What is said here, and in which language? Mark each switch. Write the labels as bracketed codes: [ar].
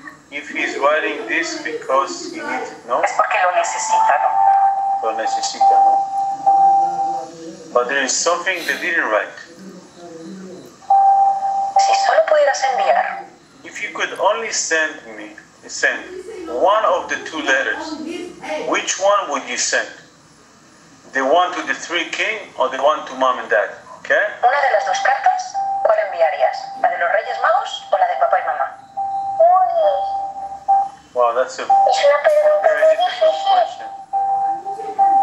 [en] If he's writing this because he needs it, no? [es] Es porque lo necesita, no? Lo necesita, no? [en] But there is something they didn't write. [es] Si solo pudieras enviar. [en] If you could only send me, send one of the two letters, which one would you send? The one to the three king or the one to mom and dad, okay? [es] Una de las dos cartas, ¿cuál enviarías? ¿La de los Reyes Magos o la de papá y mamá? [en] Wow, that's a [es] es una pregunta [en] very difficult question.